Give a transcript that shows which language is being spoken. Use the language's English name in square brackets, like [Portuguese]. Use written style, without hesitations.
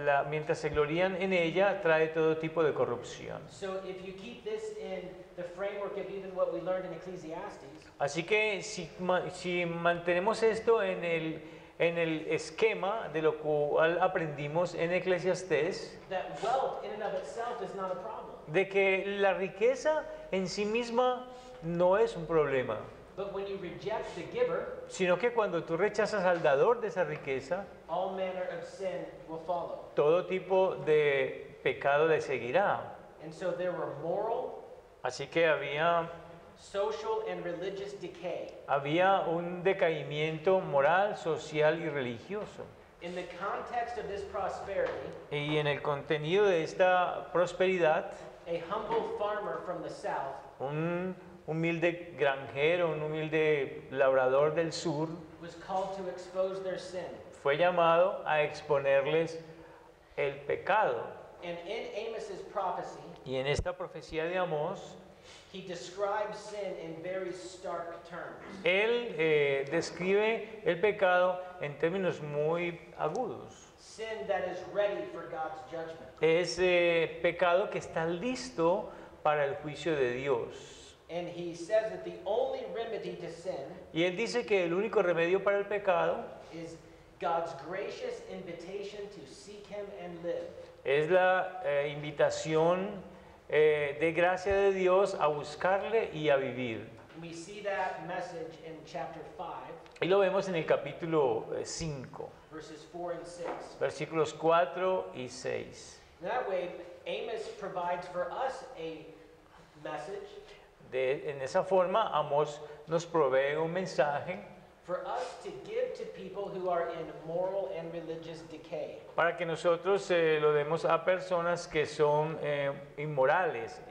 [Spanish] Mientras se glorían en ella, trae todo tipo de corrupción. [English] So if you keep this in the framework of even what we learned in Ecclesiastes. [Spanish] Así que si mantenemos esto en el esquema de lo cual aprendimos en Ecclesiastes. [English] That wealth in and of itself is not a problem. [Spanish] De que la riqueza en sí misma no es un problema. [English] But when you reject the giver, [Spanish] sino que cuando tú rechazas al dador de esa riqueza, [English] all manner of sin will follow. [Spanish] Todo tipo de pecado le seguirá. [English] And so there were moral, [Spanish] así que había [English] social and religious decay. [Spanish] Había un decaimiento moral, social y religioso. [English] In the context of this prosperity, [Spanish] y en el contenido de esta prosperidad, [English] a humble farmer from the south, [Spanish] un humilde granjero, un humilde labrador del sur, [English] was called to expose their sin. [Spanish] Fue llamado a exponerles el pecado. [English] And in Amos's prophecy, [Spanish] y en esta profecía de Amós, [English] he describes sin in very stark terms. [Spanish] Él describe el pecado en términos muy agudos. [English] Sin that is ready for God's judgment. [Spanish] Es pecado que está listo para el juicio de Dios. [English] And he says that the only remedy to sin, [Spanish] y él dice que el único remedio para el pecado, [English] is God's gracious invitation to seek him and live. [Spanish] Es la invitación de gracia de Dios a buscarle y a vivir. [English] We see that message in chapter 5. [Spanish] Y lo vemos en el capítulo 5. [English] Verses 4 and 6. [Spanish] Versículos 4 y 6. [English] That way, Amos provides for us a message. [Spanish] En esa forma, Amos nos provee un mensaje [English] for us to give to people who are in moral and religious decay. [Spanish] Para que nosotros lo demos a personas que son inmorales.